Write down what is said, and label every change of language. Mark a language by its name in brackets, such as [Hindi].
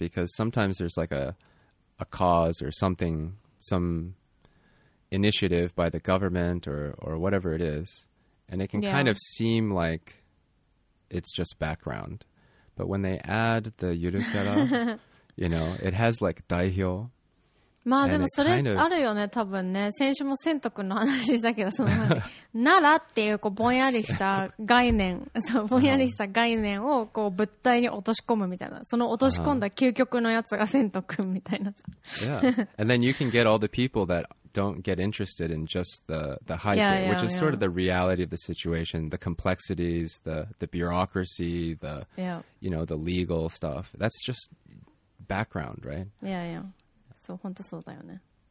[English] Because sometimes there's like a cause or something, some initiative by the government or whatever it is, and it can、 yeah. kind of seem likeit's just background. But when they add the yurukara, you know, it has like 代表. [Japanese] まあでもそれあるよね、多分ね。先週も仙徳の話したけど、その、奈良っていう、こう、ぼんやりした概念、そう、ぼんやりした概念を、こう、物体に落とし込むみたいな。その落とし込んだ究極のやつが仙徳みたいなさ。 [English] Yeah. And then you can get all the people that don't get interested in just the hype, yeah, yeah, which is yeah. sort of the reality of the situation, the complexities, the bureaucracy, the,、 yeah. you know, the legal stuff. That's just background, right? Yeah, yeah. So, [Japanese] 本当そうだよね。